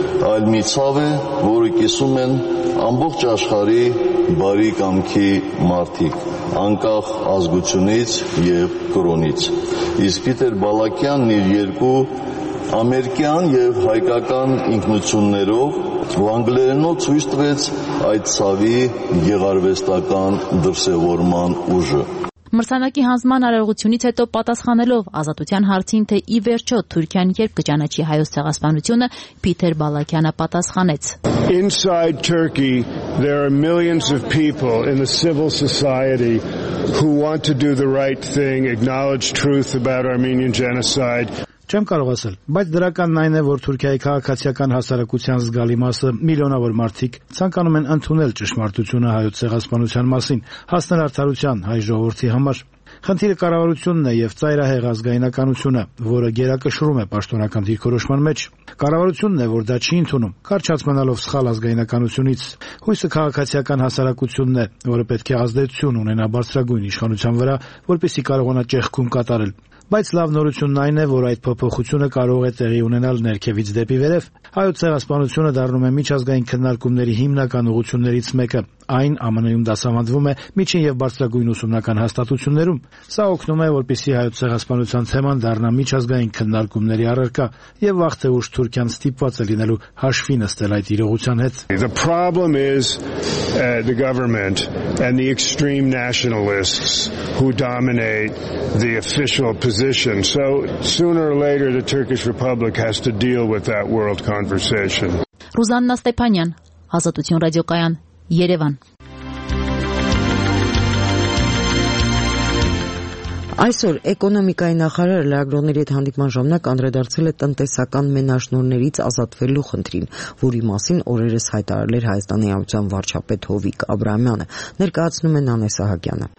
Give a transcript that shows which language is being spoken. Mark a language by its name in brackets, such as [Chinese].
[Armenian] այլ մի ցավ է, որը կիսում են ամբողջ աշխարհի բարի կամքի մարդիկ, անկախ ազգությունից և կրոնից։ Իսկ Փիթեր Բալակյանն իր երկու ամերիկյան և հայկական ինքնություններով անգլերենով ցույց տվեց այդ ցավի գեղարվեստական դրսևորման ուժը։ Մրցանակի հանձման արարողությունից հետո պատասխանելով ազատության հարցին, թե ի վերջո Թուրքիան երբ կճանաչի հայոց ցեղասպանությունը, Փիթեր Բալակյանը պատասխանեց. [English] Inside Turkey there are millions of people in the civil society who want to do the right thing, acknowledge truth about Armenian genocide. [Armenian] Չեմ կարող ասել, բայց դրական այն է, որ Թուրքիայի քաղաքացիական հասարակության զգալի մասը, միլիոնավոր մարդիկ ցանկանում են ընդունել ճշմարտությունը հայոց ցեղասպանության մասին, հասնել արդարության հայ ժողովրդի համար։ Խնդիրը կառավարությունն է եւ ծայրահեղ ազգայնականությունը, որը գերակշռում է պաշտոնական դիրքորոշման մեջ։ Կառավարությունն է, որ դա չի ընդունում, կարճացմանալով սխալ ազգայնականությունից։ Հույսը քաղաքացիական հասարակությունն է, որը պետք է ազդեցություն ունենա բարձրագույն իշխանության վրա, որպեսզի կարողանա ճեղքում կատարել։ Բայց լավ նորությունն այն է, որ այդ փոփոխությունը կարող է տեղի ունենալ ներքևից դեպի վերև։ Հայոց ցեղասպանությունը դառնում է միջազգային քննարկումների հիմնական ուղություններից մեկը։ Այն ԱՄՆ-ում դասավանդվում է միջին և բարձրագույն ուսումնական հաստատություններում։ Սա օգնում է, որպեսզի հայոց ցեղասպանության թեման դառնա միջազգային քննարկումների առարկա և վաղ թե ուշ Թուրքիան ստիպված է լինելու հաշվի նստել այդ իրողության հետ։ [English] The problem is the government and the extreme nationalists who dominate the official position. So sooner or later the Turkish Republic has to deal with that world conversation. [Armenian] Ռուզաննա Ստեփանյան, Ազատություն ռադիոկայան, Երևան։ Այսօր էկոնոմիկայի նախարարը լրագրողների հետ հանդիպման ժամանակ անդրադարձել է տնտեսական մենաշնորներից ազատվելու խնդրին, որի մասին օրերս հայտարարել էր Հայաստանի Հանրության վարչապետ Հովիկ Աբրահամյանը, ներկայացնում է Նանե Սահակյանը։